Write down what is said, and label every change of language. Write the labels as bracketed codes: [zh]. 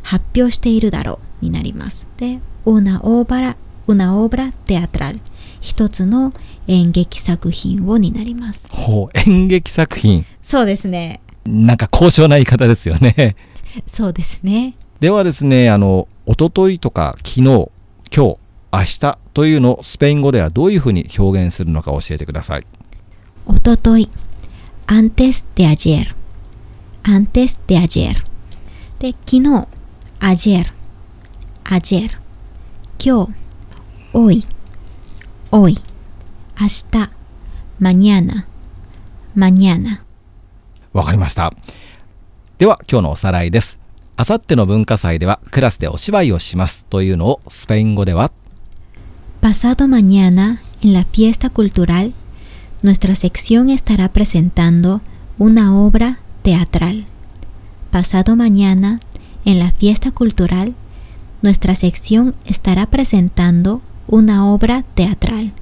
[ja] 発表しているだろうになります。で、 [es] una obra teatral、 [ja] 一つの演劇作品をになります。ほう、演劇作品。そうですね、なんか高尚な言い方ですよね。そうですね。ではですね、一昨日とか昨日、今日、明日というのをスペイン語ではどういうふうに表現するのか教えてください。一昨日、 [es] antes de ayer、 antes de ayer。 [ja] で、昨日、 [es] ayer、 ayer。 [ja] 今日、 [es] hoy、 hoy。 [ja] 明日、 [es] mañana、 mañana。 [ja] わかりました。では今日のおさらいです。あさっての文化祭ではクラスでお芝居をしますというのをスペイン語では、 [es] Pasado mañana en la fiesta cultural nuestra sección estará presentando una obra teatral. Pasado mañana en la fiesta cultural nuestra sección estará presentando una obra teatral.